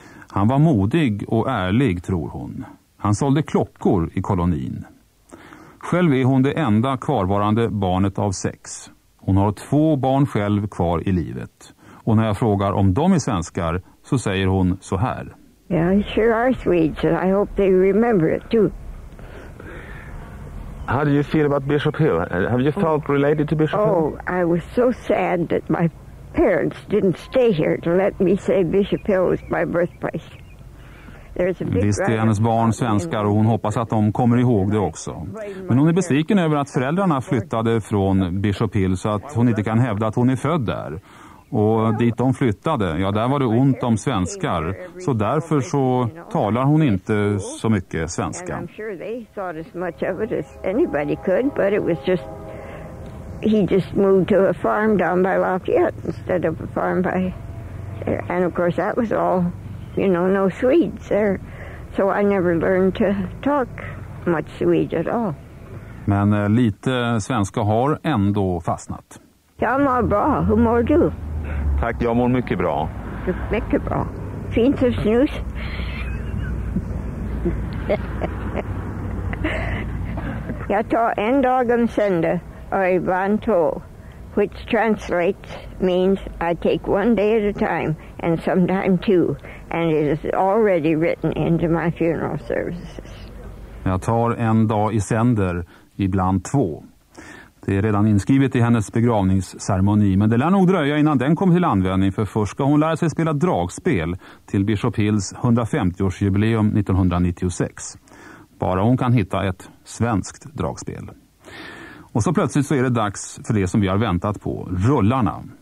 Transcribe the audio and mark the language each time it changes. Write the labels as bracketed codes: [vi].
[sv] Han var modig och ärlig, tror hon. Han sålde klockor i kolonin. Själv är hon det enda kvarvarande barnet av 6. Hon har 2 barn själv kvar i livet. Och när jag frågar om de är svenskar så säger hon så här. [en] Yeah, sure are Swedes, and I hope they remember it too. How do you feel about Bishop Hill? Have you felt related to Bishop Hill? Oh, I was so sad that my parents didn't stay here to let me say Bishop Hill was my birthplace. [sv] Visst är hennes barn svenskar och hon hoppas att de kommer ihåg det också. Men hon är besviken över att föräldrarna flyttade från Bishop Hill så att hon inte kan hävda att hon är född där. Och dit de flyttade, ja där var det ont om svenskar. Så därför så talar hon inte så mycket svenska. [en] I'm sure they thought as much of it as anybody could, but it was just, he just moved to a farm down by Lafayette instead of a farm by, and of course that was all. You know, no Swedes there. So I never learned to talk much Swede at all. [sv] Men lite svenska har ändå fastnat. Jag mår bra. Hur mår du? Tack, jag mår mycket bra. Mycket bra. Fint som snus. Jag tar en dag om sända och ibland två, [en] which translates means I take one day at a time and sometime two. And it is already written into my funeral services. [sv] Jag tar en dag i sänder, ibland två. Det är redan inskrivet i hennes begravningsceremoni, men det lär nog dröja innan den kommer till användning, för först ska hon lära sig spela dragspel till Bishop Hills 150-årsjubileum 1996. Bara hon kan hitta ett svenskt dragspel. Och så plötsligt så är det dags för det som vi har väntat på, rullarna.